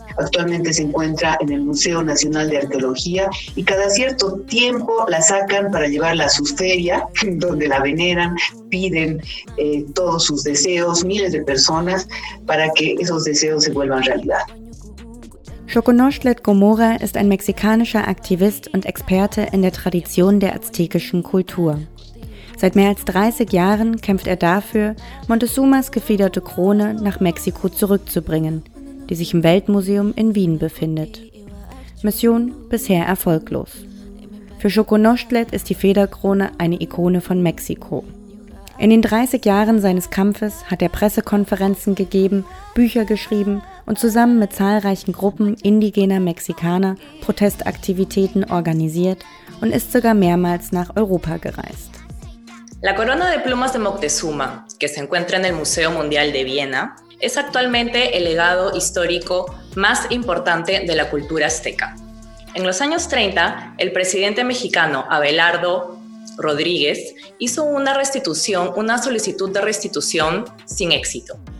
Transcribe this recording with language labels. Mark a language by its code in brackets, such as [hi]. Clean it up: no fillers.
[es] Actualmente se encuentra en el Museo Nacional de Arqueología y cada cierto tiempo la sacan para llevarla a sus ferias, donde la veneran, piden todos sus deseos, miles de personas, para que esos deseos se vuelvan realidad. [de] Choconochtlet Gomora ist ein mexikanischer Aktivist und Experte in der Tradition der aztekischen Kultur. Seit mehr als 30 Jahren kämpft er dafür, Montezumas gefiederte Krone nach Mexiko zurückzubringen, die sich im Weltmuseum in Wien befindet. Mission bisher erfolglos. Für Choconochtlet ist die Federkrone eine Ikone von Mexiko. In den 30 Jahren seines Kampfes hat er Pressekonferenzen gegeben, Bücher geschrieben und zusammen mit zahlreichen Gruppen indigener Mexikaner Protestaktivitäten organisiert und ist sogar mehrmals nach Europa gereist. [es] La corona de plumas de Moctezuma, que se encuentra en el Museo Mundial de Viena, es actualmente el legado histórico más importante de la cultura azteca. En los años 30, el presidente mexicano Abelardo Rodríguez hizo una solicitud de restitución sin éxito.